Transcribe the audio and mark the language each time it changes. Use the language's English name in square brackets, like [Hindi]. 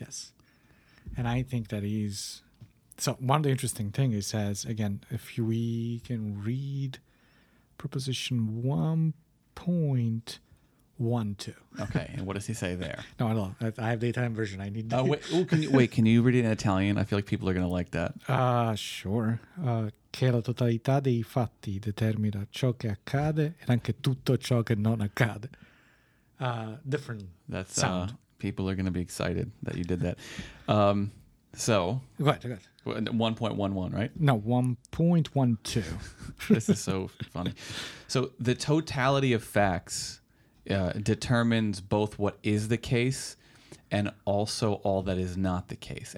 [English] Yes. And I think that he's... So one of the interesting things he says, again, if we can read proposition 1.12. Okay, and what does he say there? No, I don't know. I have the Italian version. I need to... Can you read it in Italian? I feel like people are going to like that. Sure. [Italian] Che la totalità dei fatti determina ciò che accade e anche tutto ciò che non accade. [English] Different That's, sound. People are going to be excited that you did that. Go ahead. 1.11, right? No, 1.12. This is so funny. So the totality of facts... determines both what is the case and also all that is not the case.